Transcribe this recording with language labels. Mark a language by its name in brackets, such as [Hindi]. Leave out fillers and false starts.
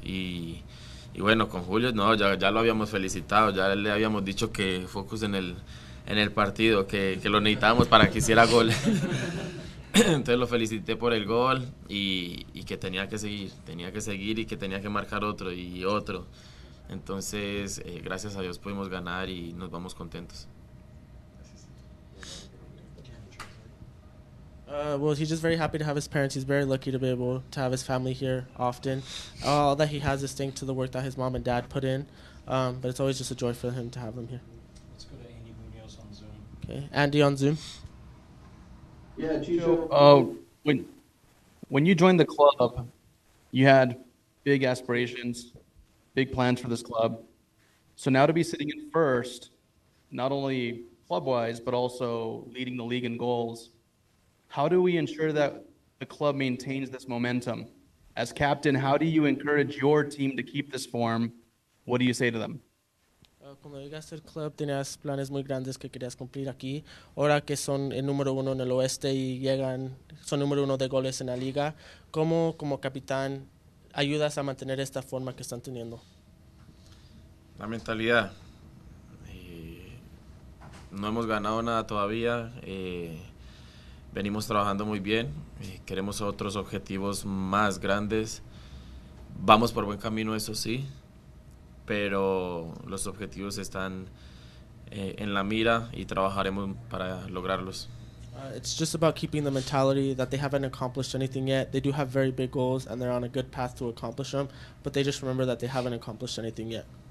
[Spanish] Y bueno, con Julio, no, ya lo habíamos felicitado, ya le habíamos dicho que focus en el partido, que lo necesitábamos para que hiciera gol. Entonces lo felicité por el gol y que tenía que seguir y que tenía que marcar otro y otro. Entonces, gracias a Dios pudimos ganar y nos vamos contentos. [English] Well, he's just very happy to have his parents. He's very lucky to be able to have his family here often. All that he has is thanks to the work that his mom and dad put in. But it's always just a joy for him to have them here. Let's go to Andy Munoz on Zoom. Okay, Andy on Zoom. Yeah, Chicho. When you joined the club, you had big aspirations, big plans for this club. So now to be sitting in first, not only club-wise, but also leading the league in goals, how do we ensure that the club maintains this momentum? As captain, how do you encourage your team to keep this form? What do you say to them? [Spanish] Cuando llegaste al club, tenías planes muy grandes que querías cumplir aquí. Ahora que son el número uno en el oeste y llegan, son número uno de goles en la liga, ¿cómo, como capitán, ayudas a mantener esta forma que están teniendo? La mentalidad. No hemos ganado nada todavía. Venimos trabajando muy bien. Queremos otros objetivos más grandes. Vamos por buen camino, eso sí. Pero los objetivos están en la mira y trabajaremos para lograrlos. [English] It's just about keeping the mentality that they haven't accomplished anything yet. They do have very big goals and they're on a good path to accomplish them, but they just remember that they haven't accomplished anything yet.